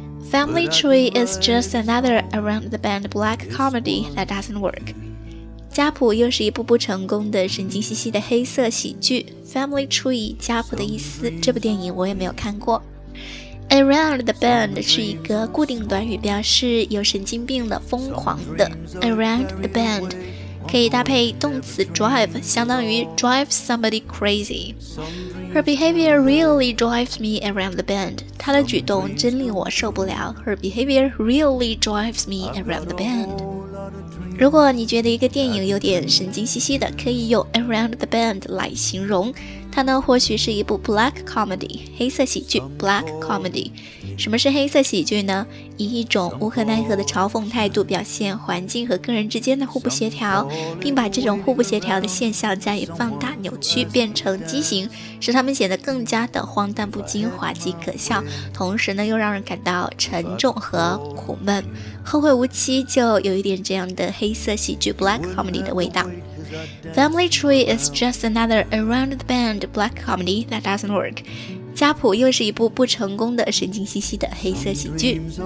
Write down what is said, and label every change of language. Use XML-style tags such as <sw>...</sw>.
<en>Family Tree is just another around the band black comedy that doesn't work.</en> <zh>家谱又是一部不成功的神经兮兮的黑色喜剧。 Family Tree 家谱的意思，这部电影我也没有看过。</zh> <en>Around the band</en> <zh>是一个固定短语，表示有神经病的、疯狂的。</zh> <en>Around the band.</en> <zh>可以搭配动词</zh> <en>drive，</en> <zh>相当于</zh> <en>drive somebody crazy。 Her behavior really drives me around the bend，</en> <zh>她的举动真令我受不了。</zh> <en>Her behavior really drives me around the bend。</en> <zh>如果你觉得一个电影有点神经兮兮的，可以用</zh> <en>around the bend</en> <zh>来形容。它呢或许是一部 black comedy， 黑色喜剧。black comedy， 什么是黑色喜剧呢？以一种无可奈何的嘲讽态度表现环境和个人之间的互不协调，并把这种互不协调的现象加以放大、扭曲，变成畸形，使他们显得更加的荒诞不经、滑稽可笑，同时呢又让人感到沉重和苦闷。后会无期就有一点这样的黑色喜剧 black comedy 的味道。</zh> <en>Family Tree is just another around the bend black comedy that doesn't work.</en> <zh>家谱又是一部不成功的神经兮兮的黑色喜剧。</zh>